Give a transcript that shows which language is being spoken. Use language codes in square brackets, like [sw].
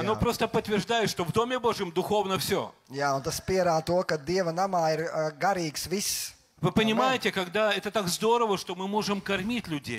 [ru] Оно просто подтверждает, что в Доме Божьем духовно все. [lv] Jā, un tas pierāda to, ka Dieva namā ir garīgs viss. [ru] Вы понимаете, когда это так здорово, что мы можем кормить людей.